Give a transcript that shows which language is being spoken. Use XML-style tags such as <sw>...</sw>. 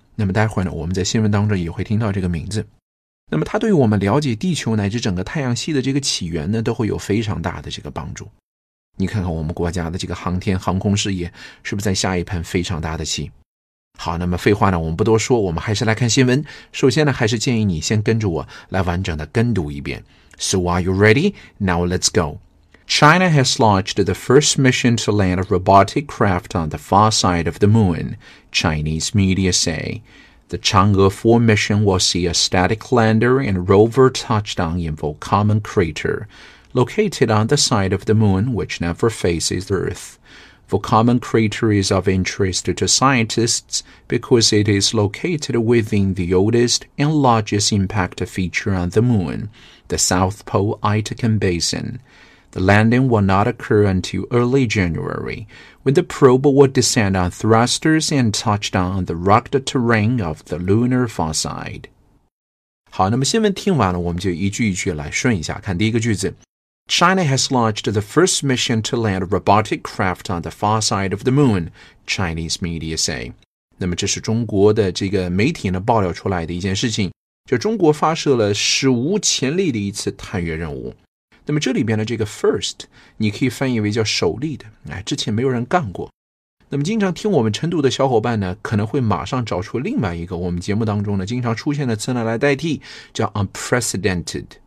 <zh>那么待会呢，我们在新闻当中也会听到这个名字。那么它对于我们了解地球乃至整个太阳系的这个起源呢，都会有非常大的这个帮助。你看看我们国家的这个航天航空事业是不是在下一盘非常大的棋。好，那么废话呢我们不多说，我们还是来看新闻。首先呢，还是建议你先跟着我来完整的跟读一遍。</zh> <en>So are you ready? Now let's go. China has launched the first mission to land a robotic craft on the far side of the moon, Chinese media say. The Chang'e 4 mission will see a static lander and rover touchdown in Volcano Crater, located on the side of the moon which never faces Earth. Volcano Crater is of interest to scientists because it is located within the oldest and largest impact feature on the moon, the South Pole Aitken Basin. The landing will not occur until early January, when the probe will descend on thrusters and touch down the rugged terrain of the lunar far side.</en> <zh>好，那么新闻听完了，我们就一句一句来顺一下，看第一个句子。</zh> <en>China has launched the first mission to land a robotic craft on the far side of the moon, Chinese media say.</en> <zh>那么这是中国的这个媒体呢爆料出来的一件事情，就中国发射了史无前例的一次探月任务。那么这里边的这个 first， 你可以翻译为叫首例的，之前没有人干过。那么经常听我们晨读的小伙伴呢，可能会马上找出另外一个我们节目当中呢经常出现的词呢来代替，叫 unprecedented。</zh>